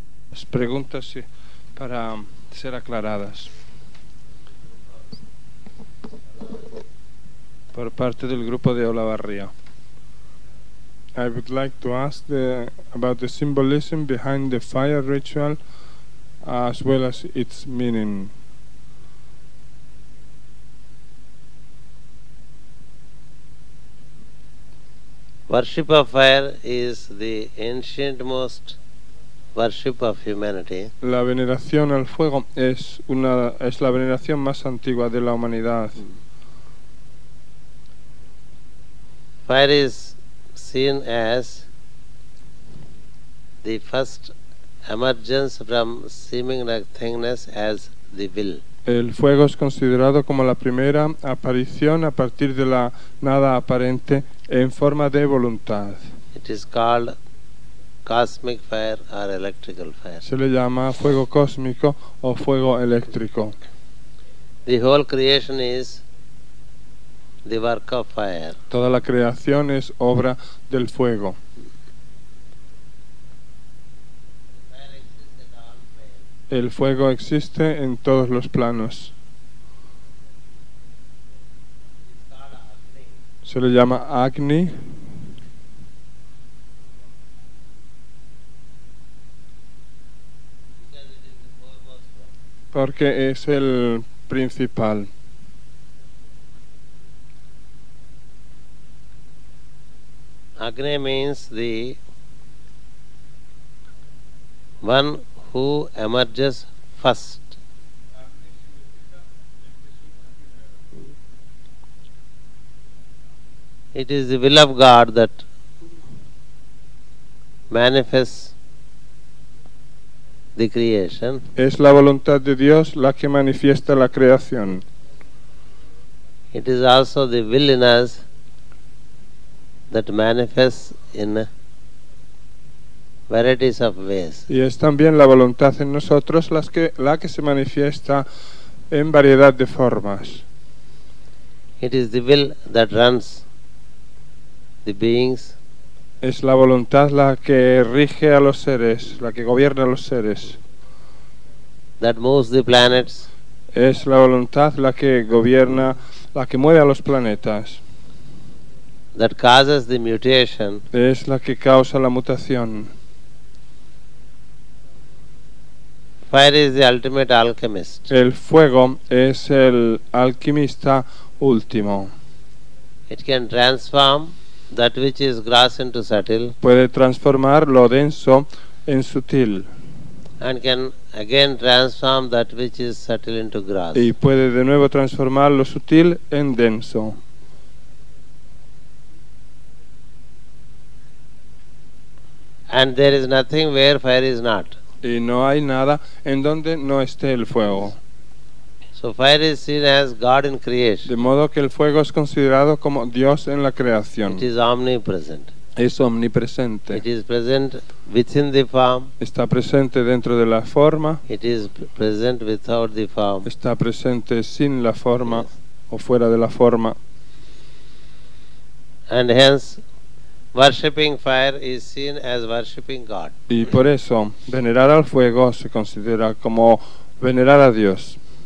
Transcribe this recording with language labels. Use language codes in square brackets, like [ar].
[es] las preguntas para ser aclaradas por parte del grupo de Olavarría. [en] I would like to ask about the symbolism behind the fire ritual as well as its meaning. Worship of fire is the ancient most worship of humanity. [es] La veneración al fuego es una es la veneración más antigua de la humanidad. [en] Fire is seen as the first emergence from seeming nothingness as the will. [es] El fuego es considerado como la primera aparición a partir de la nada aparente en forma de voluntad. [en] It is called cosmic fire or electrical fire. [es] Se le llama fuego cósmico o fuego eléctrico. [en] The whole creation is the work of fire. [es] Toda la creación es obra del fuego. El fuego existe en todos los planos. Se le llama Agni. Porque es el principal. [en] Agni means the one who emerges first. It is the will of God that manifests the creation. [es] Es la voluntad de Dios la que manifiesta la creación. [en] It is also the will in us that manifests in varieties of ways. [es] Y es también la voluntad en nosotros la que se manifiesta en variedad de formas. [en] It is the will that runs the beings. [es] Es la voluntad la que rige a los seres, la que gobierna a los seres. [en] That moves the planets. [es] Es la voluntad la que gobierna, la que mueve a los planetas. [en] That causes the mutation. [es] Es la que causa la mutación. [en] Fire is the ultimate alchemist. [es] El fuego es el alquimista último. [en] It can transform that which is gross into subtle. [es] Puede transformar lo denso en sutil. [en] And can again transform that which is subtle into gross. [es] Y puede de nuevo transformar lo sutil en denso. [en] And there is nothing where fire is not. [es] Y no hay nada en donde no esté el fuego. [en] So fire is seen as God in creation. [es] De modo que el fuego es considerado como Dios en la creación. [en] It is omnipresent. [es] Es omnipresente. [en] It is present within the form. [es] Está presente dentro de la forma. [en] It is present without the form. [es] Está presente sin la forma, yes, o fuera de la forma. [en] And hence worshipping fire is seen as worshipping God. [es] Y por eso, venerar al fuego se considera como venerar a Dios.